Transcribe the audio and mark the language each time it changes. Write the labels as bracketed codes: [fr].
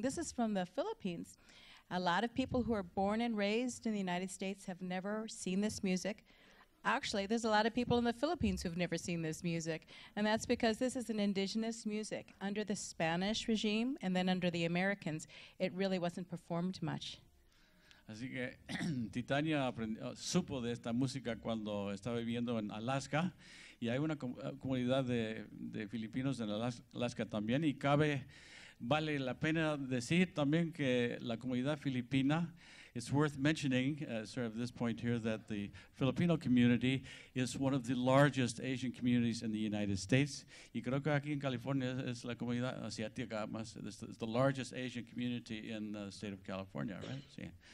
[en] This is from the Philippines. A lot of people who are born and raised in the United States have never seen this music. Actually, there's a lot of people in the Philippines who've never seen this music. And that's because this is an indigenous music. Under the Spanish regime and then under the Americans, it really wasn't performed much. [es] Así que Titania supo de esta música cuando estaba viviendo en Alaska. Y hay una comunidad de filipinos en Alaska también. Y cabe, vale la pena decir también que la comunidad filipina. [en] It's worth mentioning, sort of at this point here, that the Filipino community is one of the largest Asian communities in the United States. [es] Y creo que aquí en California es la comunidad asiática más, [en] it's the largest Asian community in the state of California, right? [es] Sí.